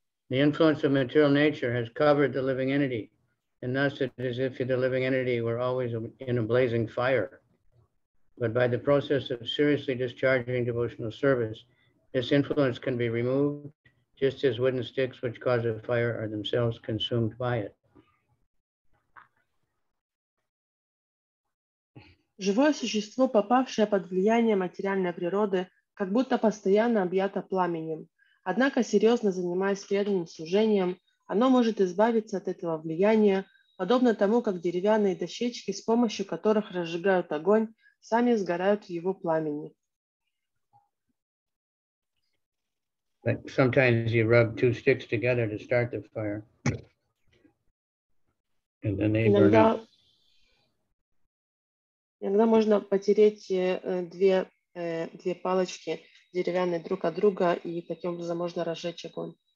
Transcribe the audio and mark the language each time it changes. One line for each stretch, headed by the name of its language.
English: The influence of material nature has covered the living entity, and thus it is as if the living entity were always in a blazing fire. But by the process of seriously discharging devotional service, this influence can be removed, just as wooden sticks which cause a fire are themselves consumed by it.
Russian: Живое существо, попавшее под влияние материальной природы, как будто постоянно объято пламенем. Однако, серьезно занимаясь преданным служением, оно может избавиться от этого влияния, подобно тому, как деревянные дощечки, с помощью которых разжигают огонь, сами сгорают в его пламени.
English: But sometimes you rub two sticks together to start the fire, and then they burn up.
Russian: Иногда можно потереть две палочки деревянные друг от друга, и таким образом можно разжечь огонь.